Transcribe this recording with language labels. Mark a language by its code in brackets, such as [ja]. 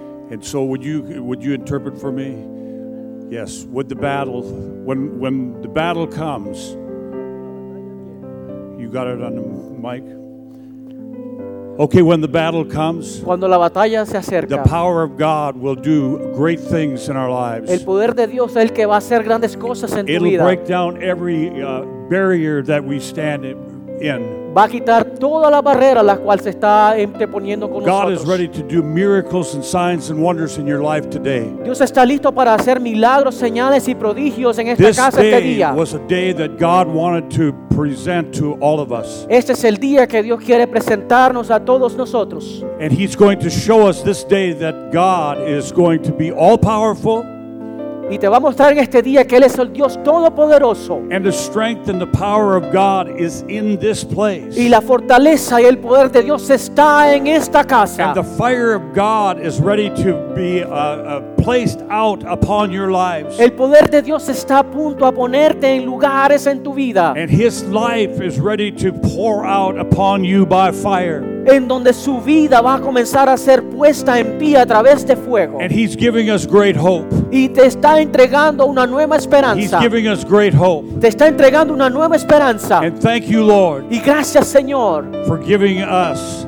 [en] And so would you interpret for me? Yes, would the battle, when the battle comes, you got it on the mic? Okay, when the battle comes, [es] cuando la batalla se acerca, [en] the power of God will do great things in our lives. [es] El poder de Dios es el que va a hacer grandes cosas en tu vida. [en] break down every barrier that we stand in. [es] Va a quitar toda la barrera la cual se está interponiendo con [en] God [es] nosotros. [en] Is ready to do miracles and signs and wonders in your life today. [es] Dios está listo para hacer milagros, señales y prodigios en esta [en] this [es] casa este día. [en] This was a day that God wanted to present to all of us. [es] Este es el día que Dios quiere presentarnos a todos nosotros. [en] And he's going to show us this day that God is going to be all powerful. [es] Y te va a mostrar en este día que Él es el Dios Todopoderoso. [en] And the strength and the power of God is in this place. [es] Y la fortaleza y el poder de Dios está en esta casa. [en] And the fire of God is ready to be placed out upon your lives. [es] El poder de Dios está a punto a ponerte en lugares en tu vida. [en] And his life is ready to pour out upon you by fire. [es] En donde su vida va a comenzar a ser puesta en pie a través de fuego. [en] And he's giving us great hope. [es] Y te está entregando una nueva esperanza. [en] He's giving us great hope. [es] Te está entregando una nueva esperanza. [en] And thank you, Lord. [es] Y gracias, Señor. [en] For giving us.